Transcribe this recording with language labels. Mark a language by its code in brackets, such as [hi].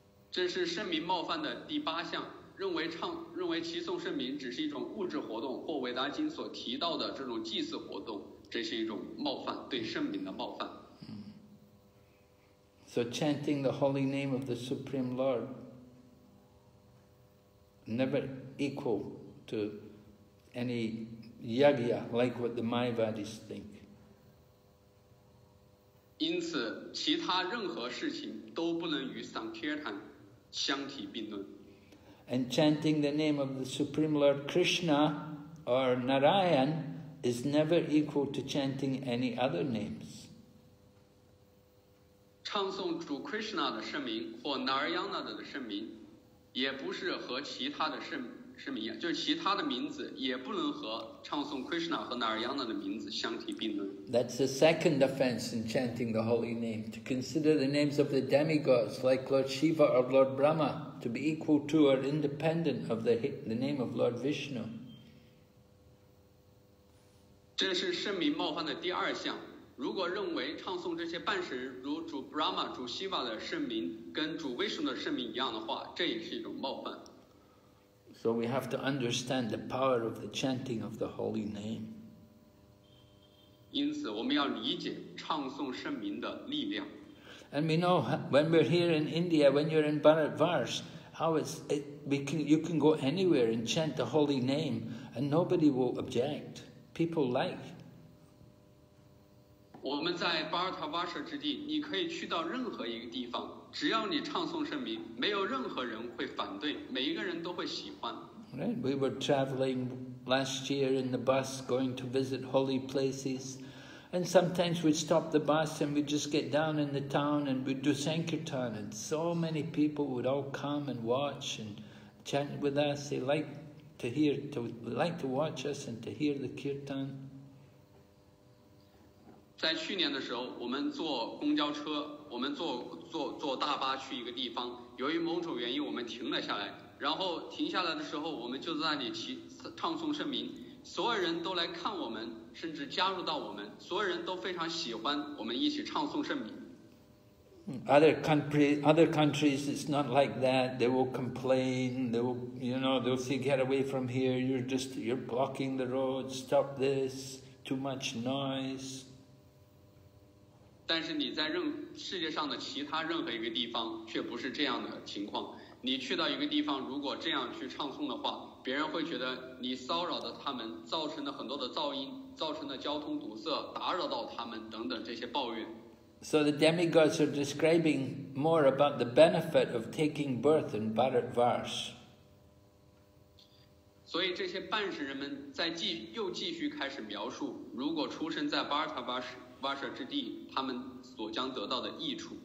[zh] 这是圣名冒犯的第八项，认为齐颂圣名只是一种物质活动，或维达经所提到的这种祭祀活动，这是一种冒犯，对圣名的冒犯。 [en] So chanting the holy name of the Supreme Lord never equal to any Yajna, like what the Mayavadis think. [zh] 因此，其他任何事情都不能与 Sankirtan 相提并论。 [en] And chanting the name of the Supreme Lord Krishna or Narayan is never equal to chanting any other names. [zh] 唱诵主 Krishna 的圣名或 Narayana 的圣名，也不是和其他的圣名呀，就是其他的名字也不能和唱诵 Krishna 和 Narayana 的名字相提并论。 [en] That's the second offense in chanting the holy name. To consider the names of the demigods like Lord Shiva or Lord Brahma to be equal to or independent of the name of Lord Vishnu. [zh] 这是圣名冒犯的第二项。如果认为唱诵这些半神如主 Brahma、主 Shiva 的圣名跟主 Vishnu 的圣名一样的话，这也是一种冒犯。 [en] So we have to understand the power of the chanting of the holy name. [zh] 因此我们要理解唱颂圣名的力量。 [en] And we know when we're here in India, when you're in Bharatvars, how you can go anywhere and chant the holy name, and nobody will object. People like. [zh] 我们在巴尔塔瓦舍之地，你可以去到任何一个地方，只要你唱颂圣名，没有任何人会反对，每一个人都会喜欢。 [en] Right, we were traveling last year in the bus, going to visit holy places. And sometimes we'd stop the bus and we'd just get down in the town and we'd do Sankirtan and so many people would all come and watch and chant with us. They like to hear, to like to watch us and to hear the Kirtan. [zh] 在去年的时候我们坐公交车我们 坐大巴去一个地方由于某种原因我们停了下来然后停下来的时候我们就在那里唱诵圣名所有人都来看我们甚至加入到我们所有人都非常喜欢我们一起唱颂圣名 [en] other countries it's not like that they will complain they will you know they'll say get away from here you're blocking the road stop this too much noise [zh] 但是你在世界上的其他任何一个地方却不是这样的情况你去到一个地方如果这样去唱颂的话别人会觉得你骚扰的他们造成了很多的噪音造成了交通堵塞打扰到他们等等这些抱怨 [en] So the demigods are describing more about the benefit of taking birth in Bharatvars [zh] 所以这些半神人们在又继续开始描述如果出生在巴尔塔瓦舍之地他们所将得到的益处